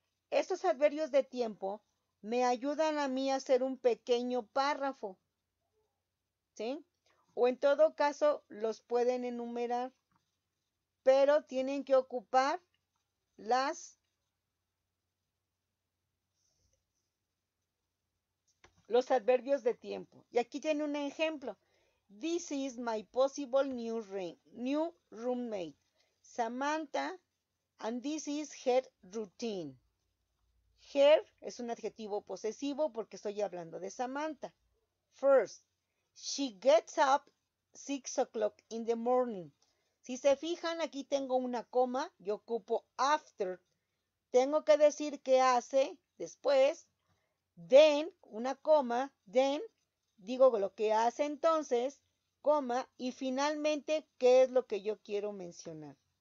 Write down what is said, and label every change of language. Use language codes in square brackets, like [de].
[es] Estos adverbios de tiempo me ayudan a mí a hacer un pequeño párrafo. ¿Sí? O en todo caso, los pueden enumerar, pero tienen que ocupar los adverbios de tiempo. Y aquí tiene un ejemplo. [en] This is my possible new roommate, Samantha, and this is her routine. [es] Her es un adjetivo posesivo porque estoy hablando de Samantha. [en] First, she gets up 6 o'clock in the morning. [es] Si se fijan, aquí tengo una coma, yo ocupo after. Tengo que decir qué hace después. Then, una coma, then, digo lo que hace entonces, coma, y finalmente, ¿qué es lo que yo quiero mencionar?